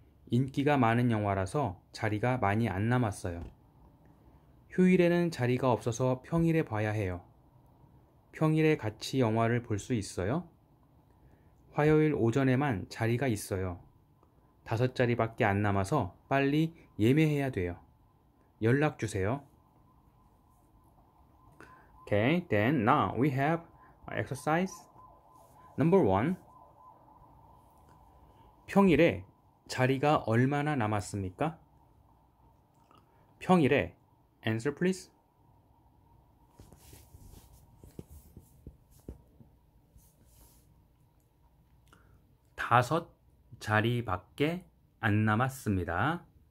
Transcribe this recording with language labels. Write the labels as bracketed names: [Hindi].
[Korean] 인기가 많은 영화라서 자리가 많이 안 남았어요. 휴일에는 자리가 없어서 평일에 봐야 해요. 평일에 같이 영화를 볼수 있어요? 화요일 오전에만 자리가 있어요. 5자리밖에 안 남아서 빨리 예매해야 돼요. 연락 주세요. [English] Okay, then now we have exercise number one. [Korean] 평일에 자리가 얼마나 남았습니까? 평일에 [English] answer please. [Korean] 다섯 자리밖에 안 남았습니다.